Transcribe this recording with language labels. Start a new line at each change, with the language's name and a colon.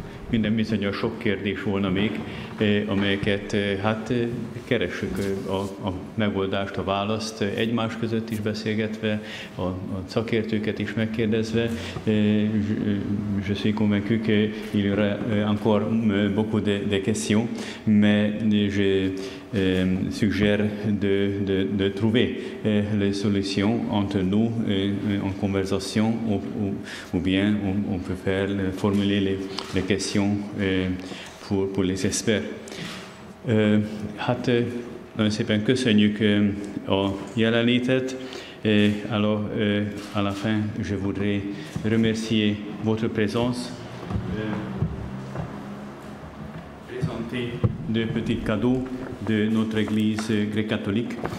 Hungarian: Minden bizonyos sok kérdés volna még, amelyeket hát keressük a megoldást, a választ egymás között is beszélgetve, a szakértőket is megkérdezve.
French: Je suis convaincu qu'il y aura encore beaucoup de questions, mais je suggère de trouver les solutions entre nous en conversation ou bien on peut faire formuler les questions pour les experts.
Hungarian: Hát nagyon szépen köszönjük a jelenlétet.
French: Alors, à la fin, je voudrais remercier votre présence. Présenter de petits cadeaux de notre église gréco-catholique.